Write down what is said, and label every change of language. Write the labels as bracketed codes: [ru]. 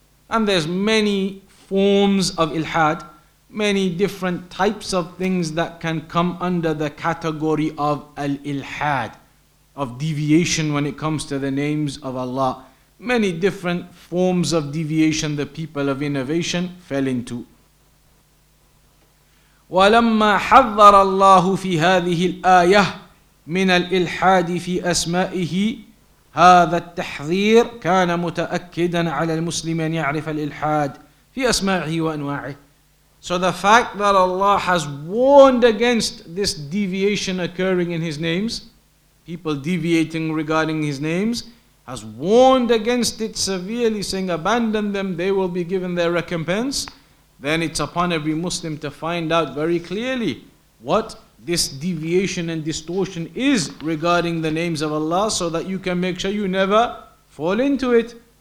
[en] And there's many forms of ilhad, many different types of things that can come under the category of al-ilhad, of deviation when it comes to the names of Allah. Many different forms of deviation the people of innovation fell into. [ar] وَلَمَّا حَذَّرَ اللَّهُ فِي هَذِهِ الْآيَةِ مِنَ الْإِلْحَادِ فِي أَسْمَائِهِ هذا التحذير كان متأكدا على المسلم أن يعرف الإلحاد في أسمائه وأنواعه. [en] So the fact that Allah has warned against this deviation occurring in His names, people deviating regarding His names, has warned against it severely, saying, abandon them, they will be given their recompense. Then it's upon every Muslim to find out very clearly what this deviation and distortion is regarding the names of Allah, so that you can make sure you never fall into it.